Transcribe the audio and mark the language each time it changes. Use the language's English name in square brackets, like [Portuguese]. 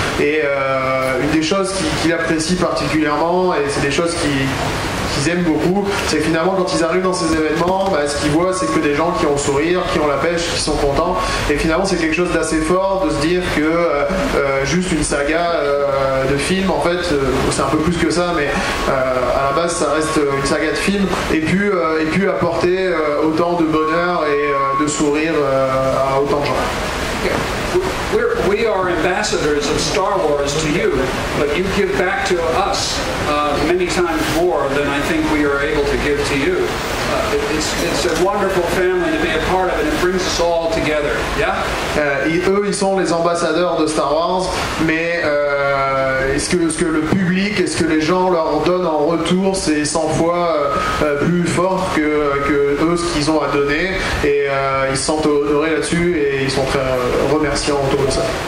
[French] Et une des choses qu'ils apprécient particulièrement, et c'est des choses qu'ils aiment beaucoup, c'est que finalement quand ils arrivent dans ces événements, bah, ce qu'ils voient c'est que des gens qui ont le sourire, qui ont la pêche, qui sont contents, et finalement c'est quelque chose d'assez fort de se dire que juste une saga de film, en fait c'est un peu plus que ça, mais à la base ça reste une saga de film, et pu apporter autant de bonheur et de sourire à autant de gens. [English] We are ambassadors of Star Wars to you, but you give back to us many times more than I think we are able to give to you. It's a wonderful family to be a part of, and it brings us all together. Yeah. [French] Eux, ils sont les ambassadeurs de Star Wars, mais est-ce que le public, est-ce que les gens leur donnent en retour, c'est 100 fois plus fort que eux ce qu'ils ont à donner. Et ils se sentent honorés là-dessus et ils sont très remerciants autour de ça.